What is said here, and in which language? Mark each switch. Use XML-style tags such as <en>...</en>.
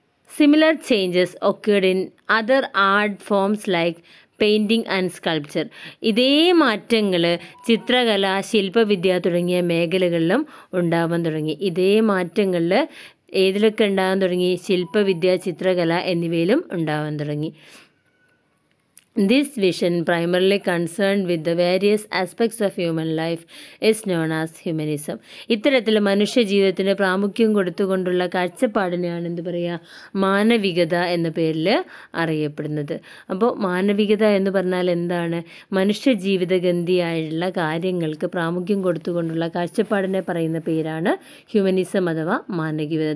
<en>Similar changes occurred in other art forms like painting and sculpture.</en> <ml>ഇതേ മാറ്റങ്ങൾ ചിത്രകല, ശില്പവിദ്യ തുടങ്ങിയ മേഖലകളിലും ഉണ്ടാവാൻ തുടങ്ങി. ഇതേ മാറ്റങ്ങളിൽ ഏതിലൊക്കെ ഉണ്ടാകാൻ തുടങ്ങി, ശില്പവിദ്യ, ചിത്രകല എന്നിവയിലും ഉണ്ടാവാൻ തുടങ്ങി.</ml> <en>This vision, primarily concerned with the various aspects of human life, is known as humanism.</en> <ml>ഇത്തരത്തിൽ മനുഷ്യ ജീവിതത്തിന് പ്രാമുഖ്യം കൊടുത്തുകൊണ്ടുള്ള കാഴ്ചപ്പാടിനെയാണ് എന്ത് പറയുക, മാനവികത എന്ന പേരിൽ അറിയപ്പെടുന്നത്. അപ്പോൾ മാനവികത എന്ന് പറഞ്ഞാൽ എന്താണ്, മനുഷ്യ ജീവിതഗന്ധിയായുള്ള കാര്യങ്ങൾക്ക് പ്രാമുഖ്യം കൊടുത്തുകൊണ്ടുള്ള കാഴ്ചപ്പാടിനെ പറയുന്ന പേരാണ് ഹ്യൂമനിസം അഥവാ മാനവികത.</ml>